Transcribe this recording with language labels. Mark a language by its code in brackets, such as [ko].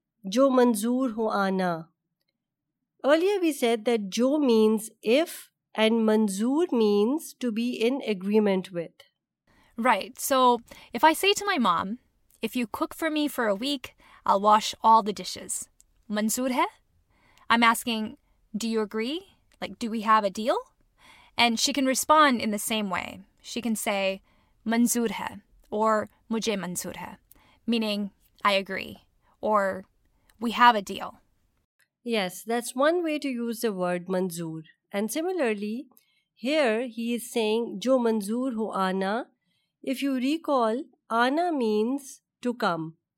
[ur] Jo manzoor ho aana. [en] Earlier we said that jo means if, and manzoor means to be in agreement with. Right. So if I say to my mom, if you cook for me for a week, I'll wash all the dishes. [ur] Manzoor hai? [en] I'm asking, do you agree? Like, do we have a deal? And she can respond in the same way. She can say, [ur] منظور ہے، [en] or [ur] مجھے منظور ہے، [en] meaning I agree, or we have a deal. Yes, that's one way to use the word manzoor. And similarly, here he is saying, [ur] jo manzoor ho aana. [en] If you recall, aana means to come.